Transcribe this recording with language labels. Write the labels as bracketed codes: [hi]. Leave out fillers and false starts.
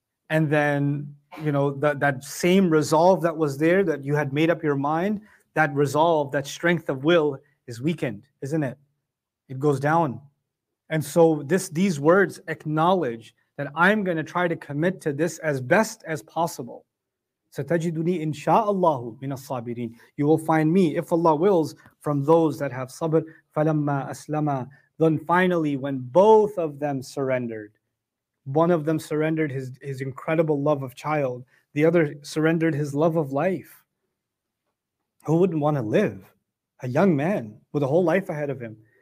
[en] And then, you know, that same resolve that was there, that you had made up your mind, that resolve, that strength of will is weakened, isn't it? It goes down. And so these words acknowledge that I'm going to try to commit to this as best as possible. [ar] ستجدني إن شاء الله من الصابرين. [en] You will find me, if Allah wills, from those that have sabr. [ar] فَلَمَّا أَسْلَمَا. [en] Then finally, when both of them surrendered, one of them surrendered his incredible love of child, the other surrendered his love of life. Who wouldn't want to live? A young man with a whole life ahead of him.